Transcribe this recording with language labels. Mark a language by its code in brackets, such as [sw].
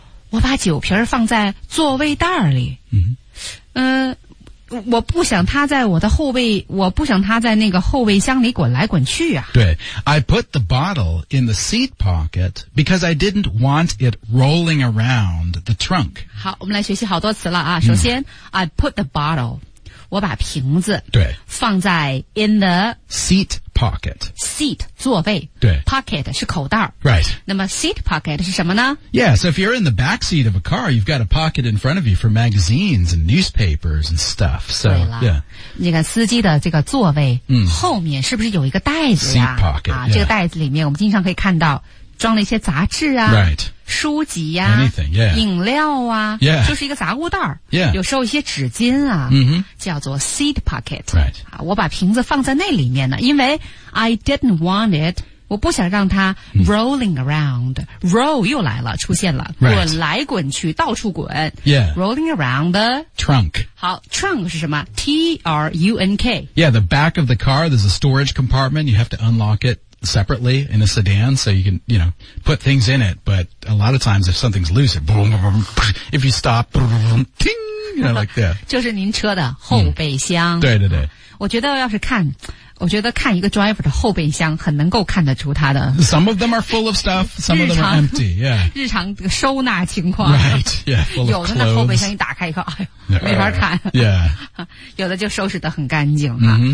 [zh] 我把酒瓶放在座位袋里。 Mm-hmm. 我不想他在我的后备，我不想他在那个后备箱里滚来滚去啊。对。 [en] I put the bottle in the seat pocket because I didn't want it rolling around the trunk. [zh] 好，我们来学习好多词了啊。首先、 [en] I put the bottle, [zh] 我把瓶子对放在 [en] in the seat pocket. Seat, [zh] 座位。对。 Pocket 是口袋。 [en] Right. [zh] 那么 seat pocket 是什么呢？ [en] Yeah, so if you're in the back seat of a car, you've got a pocket in front of you for magazines and newspapers and stuff. So, [zh] 对了。 [en] Yeah. [zh] 那个司机的这个座位、后面是不是有一个袋子啊 [en] ?Seat pocket.、 [zh] 这个袋子里面我们经常可以看到装了一些杂志啊。 [en] Right. [zh] 书籍啊 [en] Anything, yeah. [zh] 饮料啊、 [en] yeah. [zh] 就是一个杂物袋、 [en] yeah. [zh] 有时候一些纸巾啊、 mm-hmm. 叫做 seat pocket、 [en] right. [zh] 我把瓶子放在那里面呢因为 [en] I didn't want it [zh] 我不想让它 [en] rolling around. [zh] Roll 又来了，出现了，滚来滚去，到处滚。 [en] Yeah. Rolling around the trunk. [zh] 好 ，trunk 是什么 ？T-R-U-N-K. [en] Yeah, the back of the car. There's a storage compartment. You have to unlock it. Separately in a sedan, so you can, you know, put things in it. But a lot of times, if something's loose, it boom, boom, if you stop, boom, ting, you know, like that. [zh] 就是您车的后备箱。对对对。我觉得要是看，我觉得看一个 driver 的后备箱，很能够看得出他的。 [en] Some of them are full of stuff. Some of them are empty. Yeah. [zh] 日常收纳情况。 [en] Right. Yeah. Full of clothes. [zh] 有的那后备箱一打开一看，哎呦，没法看。 [en] Yeah. [zh] 有的就收拾得很干净啊。